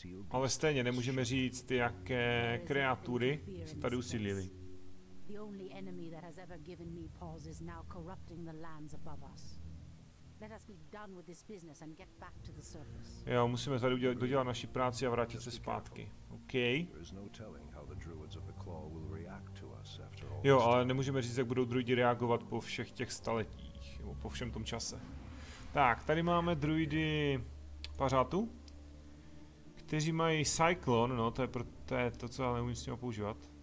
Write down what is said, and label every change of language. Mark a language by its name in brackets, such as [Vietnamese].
[Czech] Ale stejně nemůžeme říct, jaké kreatury se tady usídlily. [English] The only enemy that has ever given me pause is now corrupting the lands above us. Let us be done with this business and get back to the surface. [Czech] Jo, musíme tady dodělat naši práci a vrátit se zpátky. Okay. [English] There is no telling how the druids of the claw will react to us after all. [Czech] Jo, ale nemůžeme říct, jak budou druidi reagovat po všech těch staletích, nebo po všem tom čase. Tak, tady máme druidy pařátu, kteří mají cyclone, no to je to, co já neumím s ním používat.